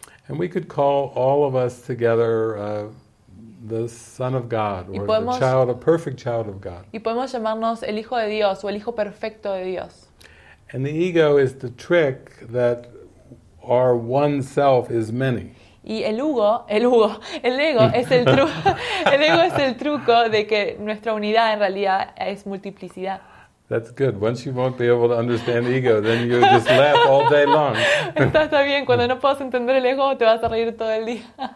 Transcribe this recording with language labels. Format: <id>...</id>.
<en>And we could call all of us together the Son of God, or</en> <es>podemos,</es> <en>the child, a perfect child of God.</en> <es>Y podemos llamarnos el Hijo de Dios o el Hijo perfecto de Dios.</es> <en>And the ego is the trick that our one self is many.</en> <es>Y el ego es el truco. El ego es el truco de que nuestra unidad en realidad es multiplicidad.</es> <en>That's good. Once you won't be able to understand ego, then you just laugh all day long.</en> <es>Está bien. Cuando no puedas entender el ego, te vas a reír todo el día.</es>